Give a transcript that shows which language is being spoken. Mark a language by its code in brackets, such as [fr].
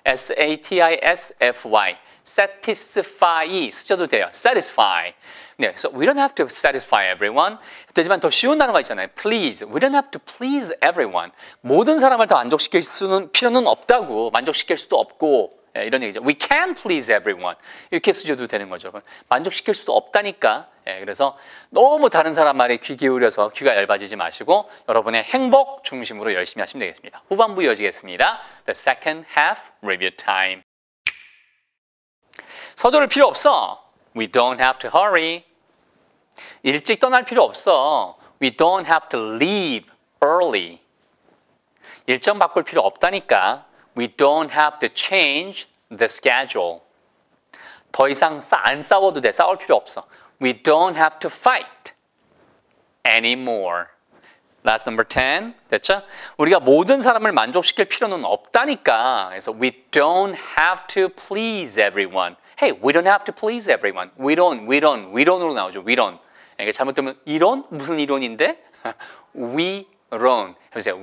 [en] S-A-T-I-S-F-Y. Satisfy [ko] 쓰셔도 돼요. [en] Satisfy. [ko] 네, [en] so we don't have to satisfy everyone. [ko] 하지만 더 쉬운 단어가 있잖아요. [en] Please. We don't have to please everyone. [ko] 모든 사람을 다 만족시킬 수는 필요는 없다고. 만족시킬 수도 없고. 예, 이런 얘기죠. [en] We can please everyone. [ko] 이렇게 쓰셔도 되는 거죠. 만족시킬 수도 없다니까. 예, 그래서 너무 다른 사람 말에 귀 기울여서 귀가 얇아지지 마시고 여러분의 행복 중심으로 열심히 하시면 되겠습니다. 후반부 이어지겠습니다. [en] The second half review time. [ko] 서두를 필요 없어. [en] We don't have to hurry. [ko] 일찍 떠날 필요 없어. [en] We don't have to leave early. [ko] 일정 바꿀 필요 없다니까. [en] We don't have to change the schedule. [ko] 더 이상 안 싸워도 돼. 싸울 필요 없어. [en] We don't have to fight anymore. That's number 10. [ko] 됐죠? 우리가 모든 사람을 만족시킬 필요는 없다니까. 그래서 [en] we don't have to please everyone. Hey, we don't have to please everyone. We don't으로 [ko] 나오죠. [en] We don't. [ko] 그러니까 잘못되면 이론? 무슨 이론인데? [en] We don't. [ko] 해보세요.